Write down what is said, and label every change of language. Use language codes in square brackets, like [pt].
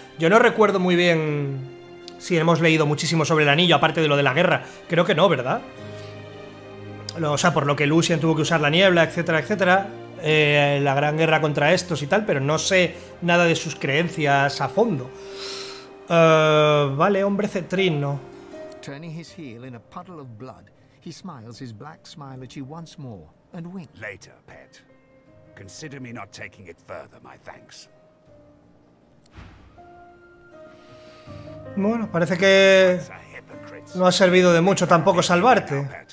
[es] Yo no recuerdo muy bien si hemos leído muchísimo sobre el anillo, aparte de lo de la guerra. Creo que no, ¿verdad? O sea, por lo que Lucien tuvo que usar la niebla, etcétera, etcétera. La gran guerra contra estos y tal, pero no sé nada de sus creencias a fondo. Vale, hombre cetrino. [en] Turning his heel in a puddle of blood, he smiles his black smile at you once more and winks. Later, pet. Consider me not taking it further, my thanks. [es] Bueno, parece que no ha servido de mucho tampoco salvarte.